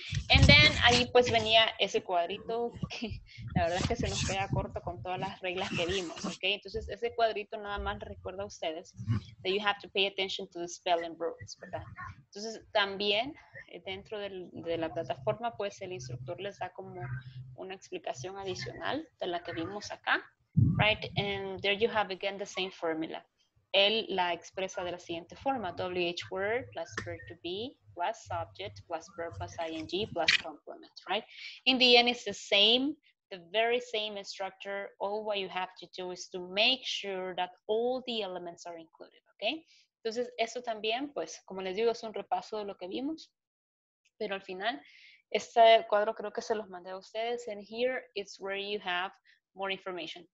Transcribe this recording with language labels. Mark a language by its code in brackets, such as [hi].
[es] And then, ahí pues venía ese cuadrito, que la verdad es que se nos queda corto con todas las reglas que vimos, ¿ok? Entonces, ese cuadrito nada más recuerda a ustedes [en] that you have to pay attention to the spelling rules, ¿verdad? [es] Entonces, también, dentro de la plataforma, pues el instructor les da como una explicación adicional de la que vimos acá, right? [en] And there you have again the same formula. [es] Él la expresa de la siguiente forma, [en] WH word plus verb to be plus subject plus verb plus ing plus complement, right? In the end, it's the same, the very same instructor. All what you have to do is to make sure that all the elements are included, okay? [es] Entonces, eso también, pues, como les digo, es un repaso de lo que vimos. Pero al final, este cuadro creo que se los mandé a ustedes. [en] And here is where you have more information.